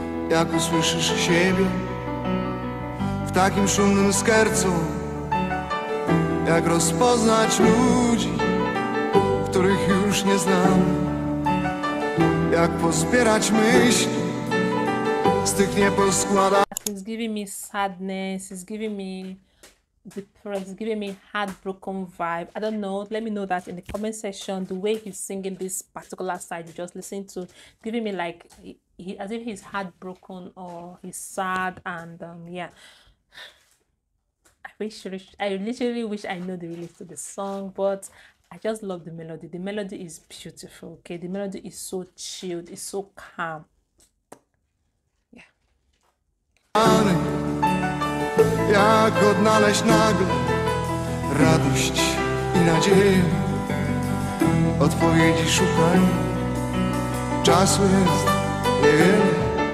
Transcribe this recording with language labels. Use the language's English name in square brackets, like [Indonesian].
[Polish] Jak usłyszysz siebie w takim szumnym skercu? Jak rozpoznać ludzi, których już nie znam? Jak pozbierać myśli z tych nieposkładanych? [English] It's giving me sadness, it's giving me depression, it's giving me heartbroken vibe. I don't know, let me know that in the comment section. The way he's singing this particular side you just listened to, giving me like he as if he's heartbroken or he's sad, and yeah. I literally wish I know the lyrics to the song, but I just love the melody. The melody is beautiful, okay? The melody is so chilled, it's so calm. Yeah. [Polish] Jak odnaleźć nagle radość i nadzieję? Odpowiedzi szukaj, czasu jest niewiele.